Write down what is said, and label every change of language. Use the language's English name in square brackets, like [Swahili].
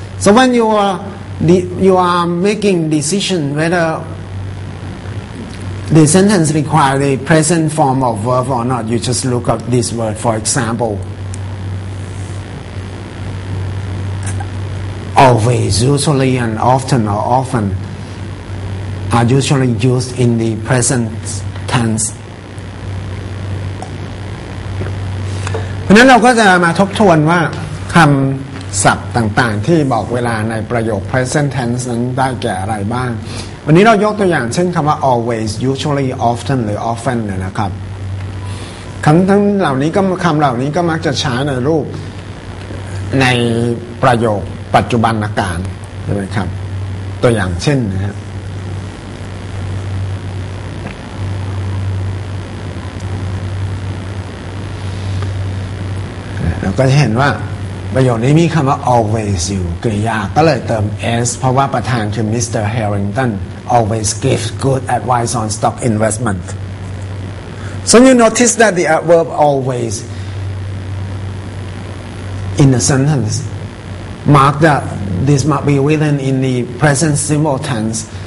[English] So when you are making decision whether the sentence require the present form of verb or not, you just look up this word, for example. Always, usually, and often or often are usually used in the present tense. [Thai] เพราะนั้นเราก็จะมาทบทวนว่าคำศัพท์ต่างๆที่บอกเวลาในประโยค present tense นั้นได้แก่อะไรบ้างวันนี้เรายกตัวอย่างเช่นคำว่า always, usually, often หรือ often เนี่ยนะครับคำทั้งเหล่านี้ก็คำเหล่านี้ก็มักจะใช้ในรูป ในประโยคปัจจุบันอาการใช่ไหมครับตัวอย่างเช่นนะครับเราก็จะเห็นว่าประโยคนี้มีคำว่า always อยู่กริยาก็เลยเติม s เพราะว่าประธานคือ Mr. [English] Harrington always gives good advice on stock investment so you notice that the adverb always in the sentencemark that this might be written in the present simple tense.